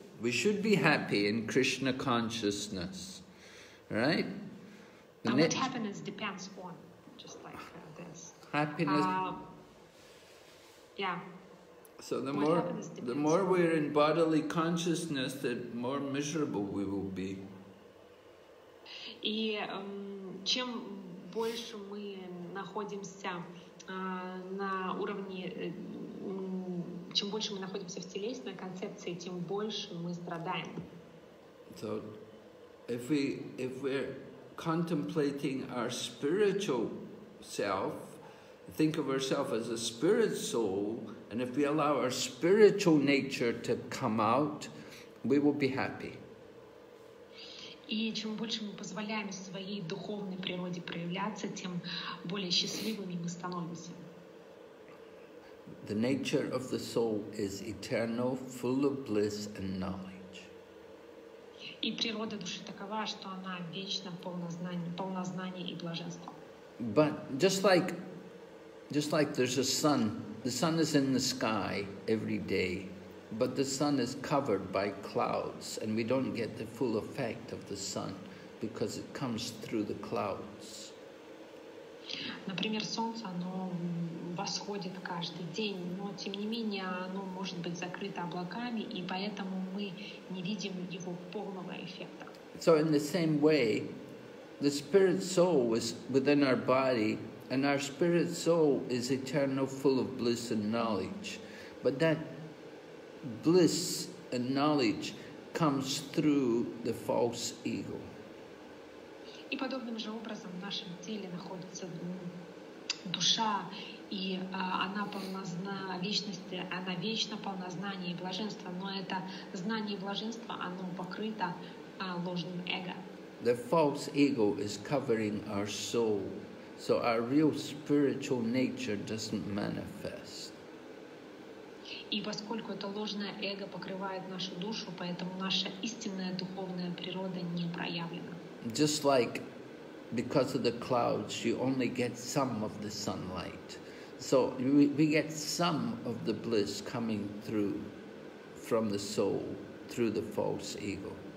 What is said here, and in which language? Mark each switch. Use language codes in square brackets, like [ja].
[en] We should be happy in Krishna consciousness, right? And what happiness depends on, just like this. Happiness. So the more we're in bodily consciousness, the more miserable we will be. [ru] И чем больше мы находимся на уровне, чем больше мы находимся в телесной концепции, тем больше мы страдаем. [en] So, if we're contemplating our spiritual self, think of ourselves as a spirit soul, and if we allow our spiritual nature to come out, we will be happy. [ru] И чем больше мы позволяем своей духовной природе проявляться, тем более счастливыми мы становимся. [en] The nature of the soul is eternal, full of bliss and knowledge. [ru] И природа души такова, что она вечно полна знаний и блаженства. [en] But just like there's a sun, the sun is in the sky every day. But the sun is covered by clouds, and we don't get the full effect of the sun because it comes through the clouds. [ru] Например, солнце, оно восходит каждый день, но тем не менее оно может быть закрыто облаками, и поэтому мы не видим его полного эффекта. [en] So in the same way, the spirit soul is within our body, and our spirit soul is eternal, full of bliss and knowledge. But that bliss and knowledge comes through the false ego. [ru] И подобным же образом в нашем теле находится душа, и она полна вечности, она вечно полна знания и блаженства, но это знание и блаженство, оно покрыто ложным эго. [en] The false ego is covering our soul, so our real spiritual nature doesn't manifest. [ru] И поскольку это ложное эго покрывает нашу душу, поэтому наша истинная духовная природа не проявлена. [en] Just like because of the clouds, you only get some of the sunlight. So we get some of the bliss coming through from the soul, through the false ego.